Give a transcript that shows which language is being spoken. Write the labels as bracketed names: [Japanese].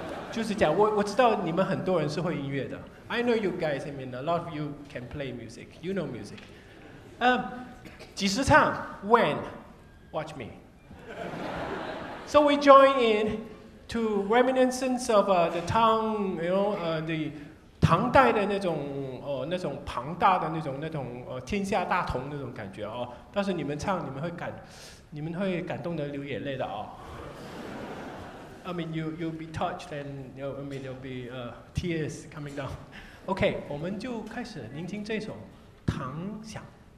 [Chinese] 就是讲我知道你们很多人是会音乐的。 [English] I know you guys, I mean, a lot of you can play music. You know music. [Chinese] 几时唱? [English] When? Watch me. So we join in to reminiscence of the Tang, you know, the [Chinese] 唐代的那种那种庞大的那种天下大同那种感觉哦。但是你们唱你们会感动得流眼泪的哦。 [English] I mean, you'll be touched and you know, I mean, there'll be tears coming down. Okay, [Chinese] 我们就开始聆听这首《唐响》。